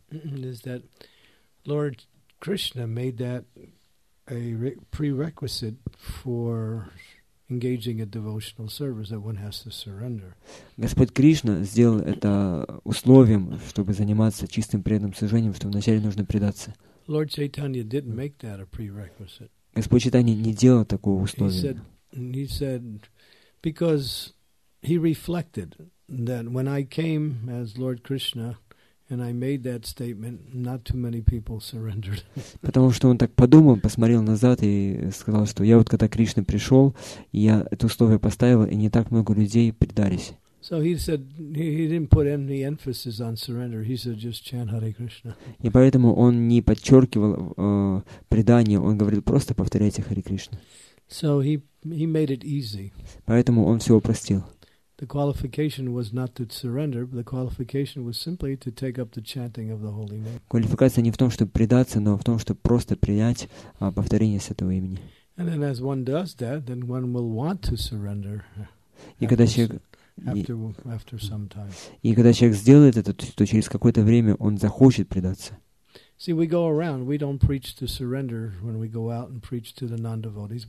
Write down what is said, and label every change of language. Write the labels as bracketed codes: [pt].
[en] Is that Lord Krishna made that a prerequisite for engaging a devotional service that one has to surrender. [ru] Господь Кришна сделал это условием, чтобы заниматься чистым преданным служением, что вначале нужно предаться. [en] Lord Chaitanya didn't make that a prerequisite. [ru] Господь Чайтанья не делал такого условия. [en] He said, because he reflected that when I came as Lord Krishna And I made that statement, not too many people surrendered. [ru] Потому что он так подумал, посмотрел назад и сказал, что я вот когда Кришна пришел, я это условие поставил, и не так много людей предались. [en] So he said he didn't put any emphasis on surrender. He said just chant Hare Krishna. [ru] И поэтому он не подчеркивал предание. Он говорил просто повторяйте Hare Krishna. [en] So he made it easy. [ru] Поэтому он все упростил. [en] The qualification was not to surrender. The qualification was simply to take up the chanting of the holy name. [ru] Квалификация не в том, чтобы предаться, но в том, чтобы просто принять повторение святого имени. [en] And then, as one does that, then one will want to surrender. [ru] И когда человек [en] After some time. [ru] И когда человек сделает это, то через какое-то время он захочет предаться. [en] See, we go around. We don't preach to surrender when we go out and preach to the non-devotees.